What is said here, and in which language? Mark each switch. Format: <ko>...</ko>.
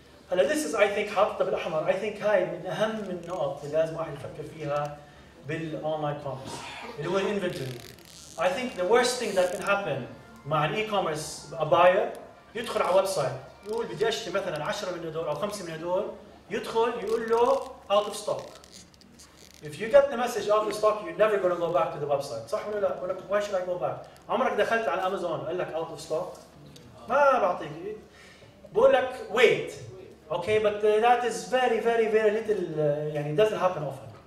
<ar>هلا</ar> <en>this is I think</en> <ar>حاطة بالأحمر،</ar> <en>I think</en> <ar>هاي من أهم النقط اللي لازم واحد يفكر فيها بالأونلاين كوميرس اللي هو الانفنتوري.</ar> <en>I think the worst thing that can happen</en> <ar>مع الإي كوميرس</ar> <en>a buyer</en> <ar>يدخل على ويب سايت يقول بدي اشتري مثلا 10 من هدول او 5 من هدول، يدخل يقول له</ar> <en>out of stock. If you get the message out of stock you're never going to go back to the website.</en> <ar>صح ولا لا؟ بقول لك</ar> <en>why should I go back؟</en> <ar>عمرك دخلت على امازون قال لك</ar> <en>out of stock؟</en> <ar>ما بعطيك. بقول لك</ar> <en>wait. Okay but that is very very very little يعني doesn't happen often.</en>